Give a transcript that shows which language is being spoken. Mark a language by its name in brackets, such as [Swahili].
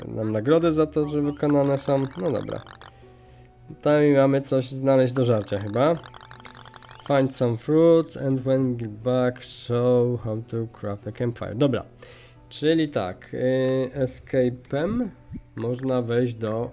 [Polish] Nam nagrody za to, że wykonane są. No dobra. Tutaj mamy coś znaleźć do żarcia chyba. [English] Find some fruit and when get back show how to craft a campfire. [Polish] Dobra, czyli tak, escape'em można wejść do...